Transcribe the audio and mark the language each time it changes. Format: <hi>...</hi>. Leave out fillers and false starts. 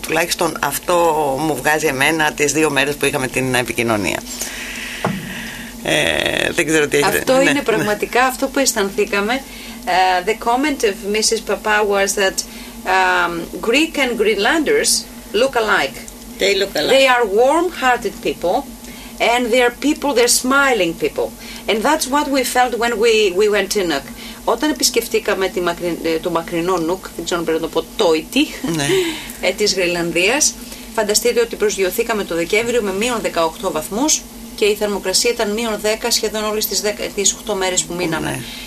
<el>Τουλάχιστον αυτό μου βγάζει εμένα τις δύο μέρες που είχαμε την επικοινωνία. Δεν ξέρω τι έχετε. Αυτό είναι πραγματικά αυτό που αισθανθήκαμε.</el> <en>The comment of Mrs. Papa was that Greek and Greenlanders look alike. They look alike. They are warm-hearted people. And they're people, they're smiling people. And that's what we felt when we went to Nuuk.</en> <el>Όταν επισκεφτήκαμε το μακρινό Νουκ, δεν ξέρω πρέπει να το πω, Τόιτι, της Γρυλανδίας, φανταστείτε ότι προσγειωθήκαμε το Δεκέμβριο με μείον 18 βαθμούς και η θερμοκρασία ήταν μείον 10 σχεδόν όλες τις 8 μέρες που μείναμε.</el>